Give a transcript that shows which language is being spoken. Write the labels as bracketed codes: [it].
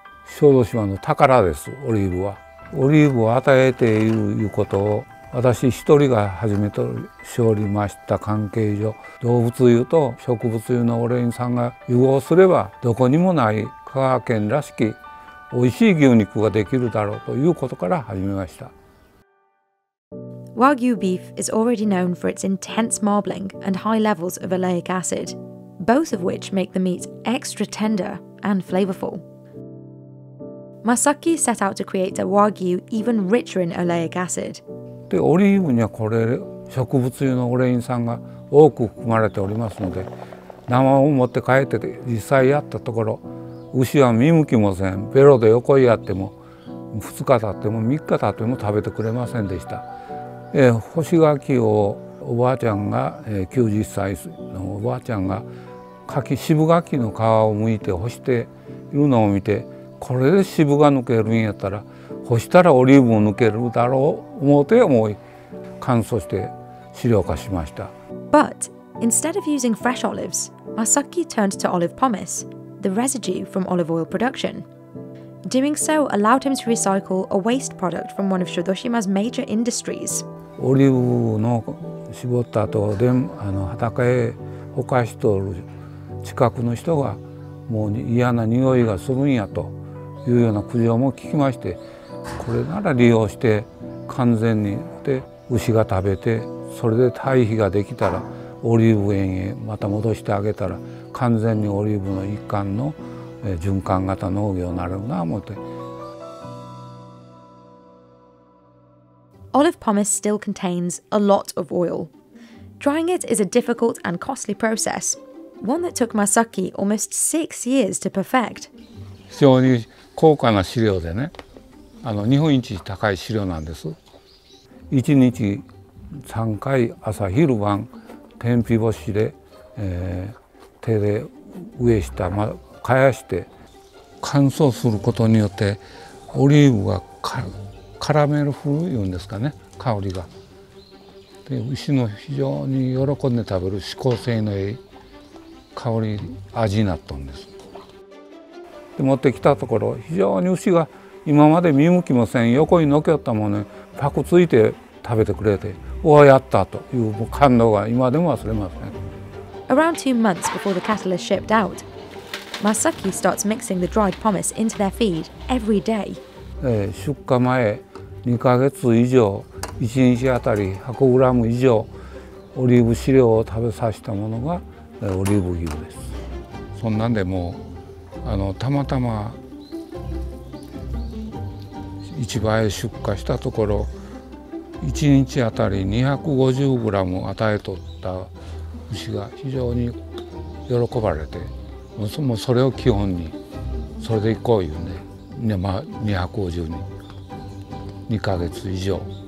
[ja] 小豆島の宝です、オリーブは。オリーブを与えているいうことを私一人が初めてしおりました関係上、動物油と植物油のオレイン酸が融合すればどこにもない香川県らしき美味しい牛肉ができるだろうということから始めました。 [en] Wagyu beef is already known for its intense marbling and high levels of oleic acid, both of which make the meat extra tender and flavorful. Masaki set out to create a Wagyu even richer in oleic acid. [ja] で、オリーブにはこれ植物油のオレイン酸が多く含まれておりますので、生を持って帰ってて実際やったところ、牛は見向きもせん、ベロで横やっても2日経っても3日経っても食べてくれませんでした。干し柿をおばあちゃんが、90歳のおばあちゃんが柿渋柿の皮を剥いて干しているのを見て、これで渋が抜けるんやったら干したらオリーブも抜けるだろう思うて思い乾燥して資料化しました。 [en] But instead of using fresh olives, Masaki turned to olive pomace, the residue from olive oil production. Doing so allowed him to recycle a waste product from one of Shodoshima's major industries. [ja] オリーブの絞った後で畑へほかしとる近くの人がもう嫌な匂いがするんやというような苦情も聞きまして、これなら利用して完全にで牛が食べてそれで堆肥ができたらオリーブ園へまた戻してあげたら完全にオリーブの一環の循環型農業になるな思って。 [en] Olive pomace still contains a lot of oil. Drying it is a difficult and costly process, one that took Masaki almost 6 years to perfect. [ja] 非常に高価な飼料でね、日本一高い飼料なんです。 1日3回朝昼晩天日干しで、手で植えした、ま、かやして乾燥することによってオリーブがカラメル風いうんですかね、香りが。で、牛の非常に喜んで食べる嗜好性のいい香り味になったんです。持ってきたところ、非常に牛が今まで見向きもせん横にのけったものにパクついて食べてくれて、おおやったという感動が今でも忘れません。 [en] Around 2 months before the cattle is shipped out, Masaki starts mixing the dried pomace into their feed every day. [ja] 出荷前2ヶ月以上、1日あたり100グラム以上オリーブ飼料を食べさせたものがオリーブ牛です。そんなんでもう、たまたま市場へ出荷したところ1日あたり 250g 与えとった牛が非常に喜ばれて、もうそれを基本にそれでいこういうね、まあ、250人2ヶ月以上。